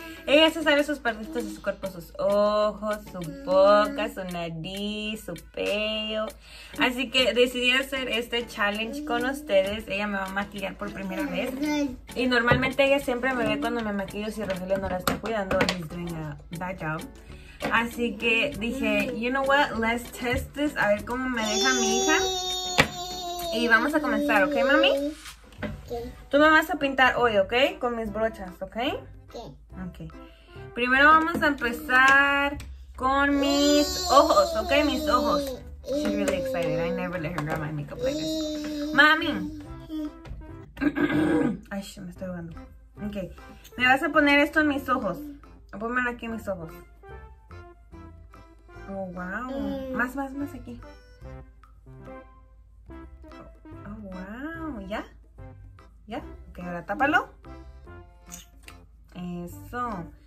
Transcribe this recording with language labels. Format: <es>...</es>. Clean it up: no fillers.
<es>Ella se sabe sus partitos de su cuerpo, sus ojos, su boca, su nariz, su pelo. Así que decidí hacer este challenge con ustedes. Ella me va a maquillar por primera vez. Y normalmente ella siempre me ve cuando me maquillo si Rogelio no la está cuidando.</es> <en>She's doing a bad job.</en> <es>Así que dije,</es> <en>you know what, let's test this.</en> <es>A ver cómo me deja mi hija. Y vamos a comenzar, ¿ok, mami? Tú me vas a pintar hoy, ¿ok? Con mis brochas, ¿ok? Sí. Ok. Primero vamos a empezar con mis ojos, ¿ok? Mis ojos.</es> <en>She's really excited. I never let her grab my makeup like this.</en> <es>Mami. Ay, me estoy ahogando. Ok. Me vas a poner esto en mis ojos. Pónmelo aquí en mis ojos. Oh, wow. Más, más, más aquí. Oh, wow. ¿Ya? ¿Ya? Ok, ahora tápalo. Eso.</es>